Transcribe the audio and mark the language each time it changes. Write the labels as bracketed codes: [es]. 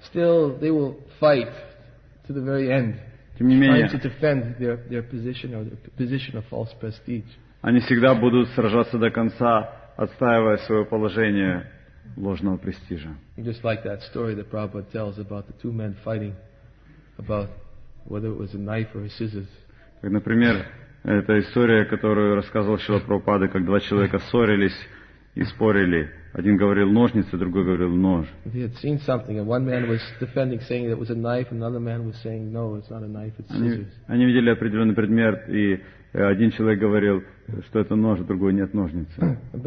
[en] Still, they will fight to the very end. [ru] Тем не менее, [en] trying to defend their position or their position of false prestige. [ru] Они всегда будут сражаться до конца, отстаивая свое положение ложного престижа. [en] Just like that story that Prabhupada tells about the two men fighting about whether it was a knife or a scissors. [ru] Как, например. Это история, которую рассказывал Шрила Прабхупада, как два человека ссорились и спорили. Один говорил ножницы, другой говорил нож. Они видели определенный предмет, и один человек говорил, что это нож, другой нет ножницы.